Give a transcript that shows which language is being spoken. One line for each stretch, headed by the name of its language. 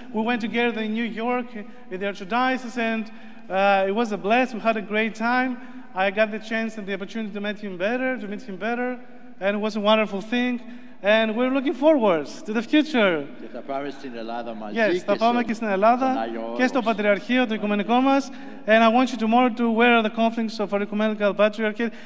English: We went together in New York in the Archdiocese, and it was a blessing. We had a great time. I got the chance and the opportunity to meet him better, and it was a wonderful thing. And we're looking forward to the future.
Greek: Yes, θα πάμε και στην Ελλάδα και στο Πατριαρχείο, το Οικουμενικό μας.
English: And I want you tomorrow to wear the cufflinks of our Ecumenical Patriarchate.